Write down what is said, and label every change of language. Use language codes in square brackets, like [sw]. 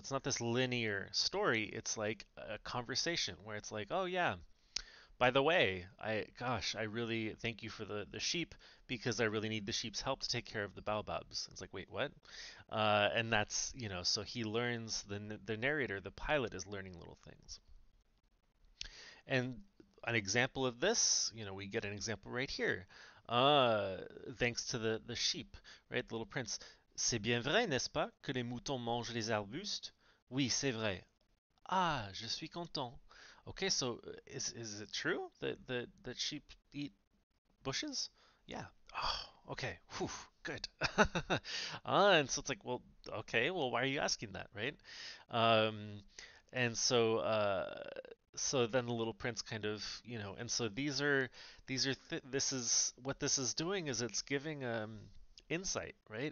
[en] So it's not this linear story. It's like a conversation where it's like, oh yeah, by the way, I really thank you for the sheep because I really need the sheep's help to take care of the baobabs. It's like, wait, what? And that's, you know, so he learns, the narrator, the pilot, is learning little things. And an example of this, you know, we get an example right here. Thanks to the sheep, right? The little prince. [fr] C'est bien vrai, n'est-ce pas, que les moutons mangent les arbustes? Oui, c'est vrai. Ah, je suis content. [en] Okay, so is it true that that sheep eat bushes? Yeah. Oh, okay. Whew, good. and so it's like, well, okay, well, why are you asking that, right? And so then the little prince kind of, you know, and so these are this is what this is doing, is it's giving insight, right?